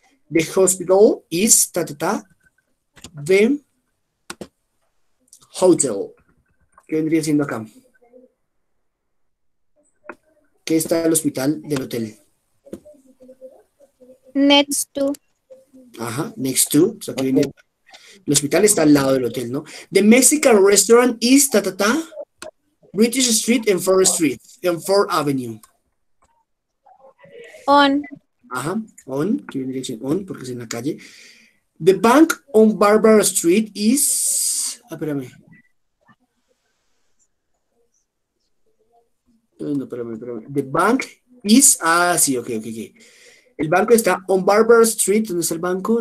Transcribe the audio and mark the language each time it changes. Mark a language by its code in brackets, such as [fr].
[en] The hospital is, the hotel. [es] ¿Qué vendría siendo acá? ¿Qué está el hospital del hotel? [en] Next to. [es] Ajá, [en] next to. [es] O sea, viene. El hospital está al lado del hotel, ¿no? [en] The Mexican restaurant is British Street and 4th Street and 4th Avenue. On. [es] Ajá, on. Aquí viene dirección on porque es en la calle. [en] The bank on Barbara Street is. [es] Ah, espérame. No, espérame. [en] The bank is. [es] Ah, sí, ok. El banco está [en] on Barbara Street. [es] ¿Dónde está el banco?